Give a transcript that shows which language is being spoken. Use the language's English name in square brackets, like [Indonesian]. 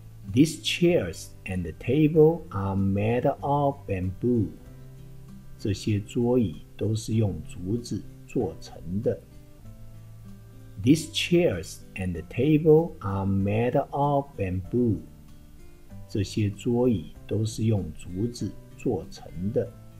[English] These chairs and the table are made of bamboo. [Chinese] 这些桌椅都是用竹子做成的。 [English] These chairs and the table are made of bamboo. [Chinese] 这些桌椅都是用竹子做成的。